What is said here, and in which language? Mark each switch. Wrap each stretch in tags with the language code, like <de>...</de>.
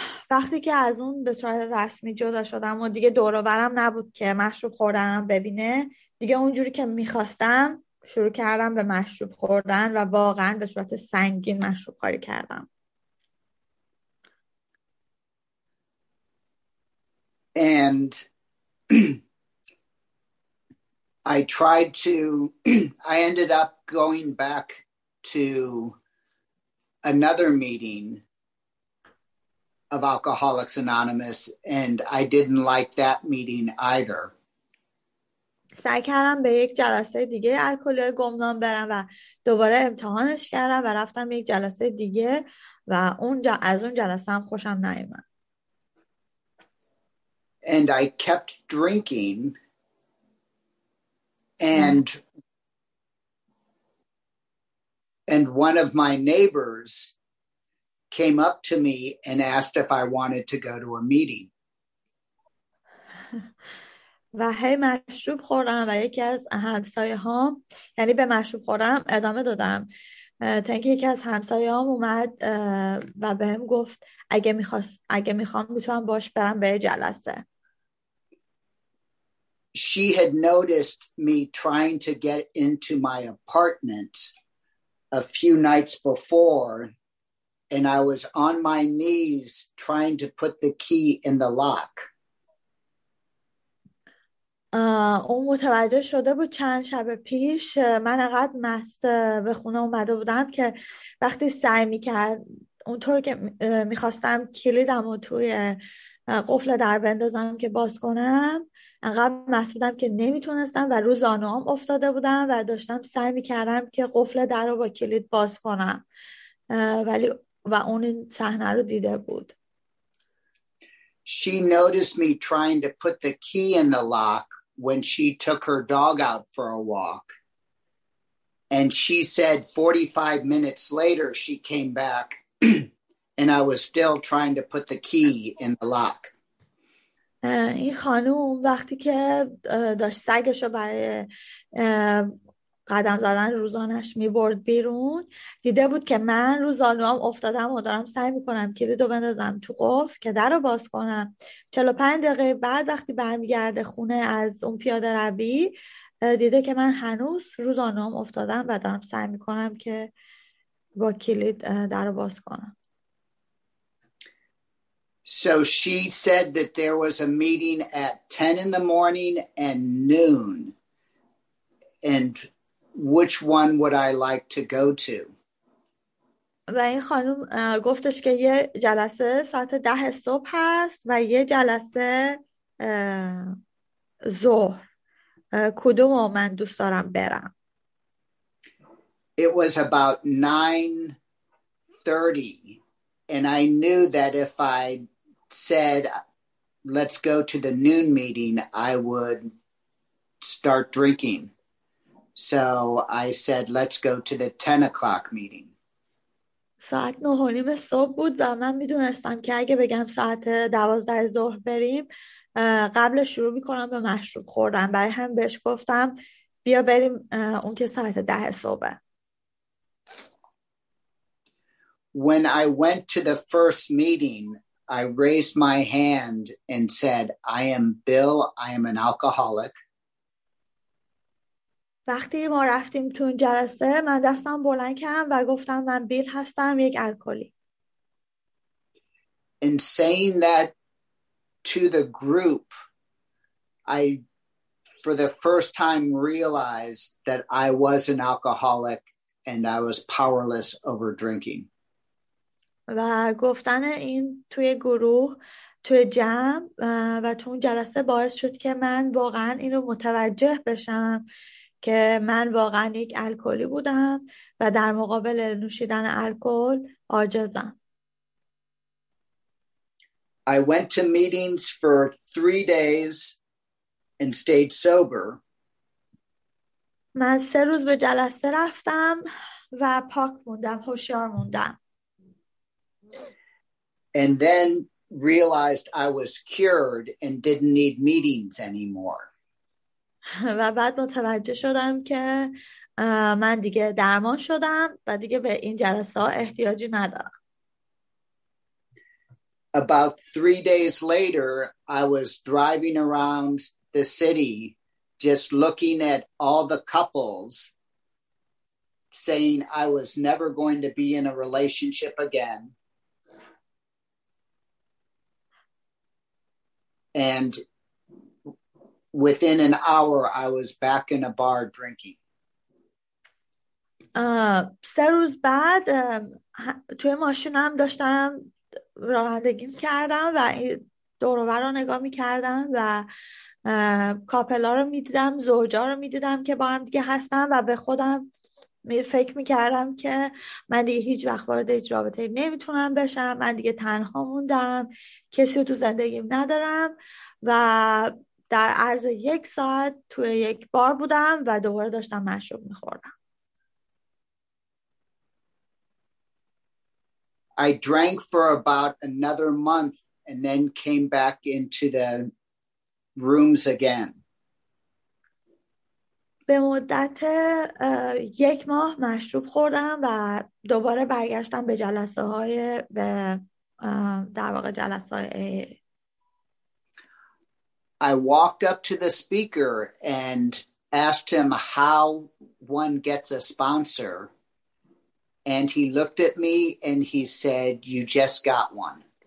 <fa>وقتی که از اون به صورت رسمی جدا شدم و دیگه دور و برم نبود که مشروب خوردنم ببینه، دیگه اونجوری که میخواستم شروع کردم به مشروب خوردن و واقعا به صورت سنگین مشروب خوری کردم.</fa> <en>And I tried to, I ended up going back to another meeting of Alcoholics Anonymous, and I didn't like that meeting either.</en> <fa>سعی کردم به یک جلسه دیگه الکلی گمنام برم و دوباره امتحانش کردم و رفتم یک جلسه دیگه و اونجا از اون جلسه هم خوشم نیومد.</fa> <en>And I kept drinking. And one of my neighbors came up to me and asked if I wanted to go to a meeting.</en> <fa>و هی مشروب خوردم و یکی از همسایه‌هام، یعنی به مشروب خوردم ادامه دادم تا اینکه یکی از همسایه‌هام اومد و بهم گفت اگه میخوام میتونم باش برم به جلسه.</fa> <en>She had noticed me trying to get into my apartment a few nights before, and I was on my knees trying to put the key in the lock.</en> <fa>اون متوجه شده بود چند شب پیش من انقدر مست به خونه اومده بودم که وقتی سعی میکرد اونطور که میخواستم کلیدم و توی قفل در بندازم که باز کنم، انقدر مست بودم که نمیتونستم و رو زانوام افتاده بودم و داشتم سعی میکردم که قفل در رو با کلید باز کنم، ولی و اون این صحنه رو دیده بود.</fa> <en>She noticed me trying to put the key in the lock when she took her dog out for a walk. And she said 45 minutes later she came back and I was still trying to put the key in the lock.</en> <fa>این خانوم وقتی که داشت سگش رو برای قدم زدن روزانش می برد بیرون، دیده بود که من رو زانوام افتادم و دارم سعی می کنم کلیدو بندازم تو قفل که در رو باز کنم. 45 دقیقه بعد وقتی برمی گرده خونه از اون پیاده روی، دیده که من هنوز روزانهام افتادم و دارم سعی میکنم که با کلید در رو باز کنم.</fa> <en>So she said that there was a meeting at 10 in the morning and noon. And which one would I like to go to?</en> <fa>و این خانم گفتش که یه جلسه ساعت 10 صبح هست و یه جلسه ظهر. کدوم رو من دوست دارم برم؟</fa> <en>It was about 9:30 and I knew that if I said let's go to the noon meeting I would start drinking. So I said let's go to the 10 o'clock meeting.</en> <fa>ساعت 9:30 صبح بود و من میدونستم که اگه بگم ساعت 12 ظهر بریم قبل شروع میکنم به مشروب خوردن، برای هم بهش گفتم بیا بریم اون که ساعت 10 صبحه.</fa> <en>When I went to the first meeting I raised my hand and said I am Bill, I am an alcoholic.</en> <fa>وقتی ما رفتیم تو اون جلسه من دستم بلند کردم و گفتم من بیل هستم، یک الکلی.</fa> <en>In saying that to the group, I for the first time realized that I was an alcoholic and I was powerless over drinking.</en> <fa>و گفتن این توی گروه، توی جمع و تو اون جلسه باعث شد که من واقعا اینو متوجه بشم که من واقعا یک الکلی بودم و در مقابل نوشیدن الکل عاجزم.</fa> <en>I went to meetings for 3 days and stayed sober.</en> <fa>من 3 روز به جلسه رفتم و پاک موندم، هوشیار موندم.</fa> <en>And then realized I was cured and didn't need meetings anymore.</en> <fa>و بعد متوجه شدم که من دیگه درمان شدم و دیگه به این جلسه ها احتیاجی ندارم.</fa> <en>About 3 days later, I was driving around the city just looking at all the couples saying I was never going to be in a relationship again. And within an hour, I was back in a bar drinking.</en> <fa>سه روز بعد توی ماشینم داشتم رانندگی میکردم و دوروبر رو نگاه میکردم و کاپلا رو میدیدم، زوجا رو میدیدم که با هم دیگه هستم و به خودم فکر میکردم که من دیگه هیچ وقت وارد هیچ رابطه نمیتونم بشم، من دیگه تنها موندم، کسی رو تو زندگیم ندارم و در عرض یک ساعت توی یک بار بودم و دوباره داشتم مشروب میخوردم.</fa> <en>I drank for about another month and then came back into the rooms again.</en> <fa>به مدت یک ماه مشروب خوردم و دوباره برگشتم به جلسه های به در واقع جلسه های</fa> <en>I walked up to the speaker and asked him how one gets a sponsor. And he looked at me and he said, you just got one.</en>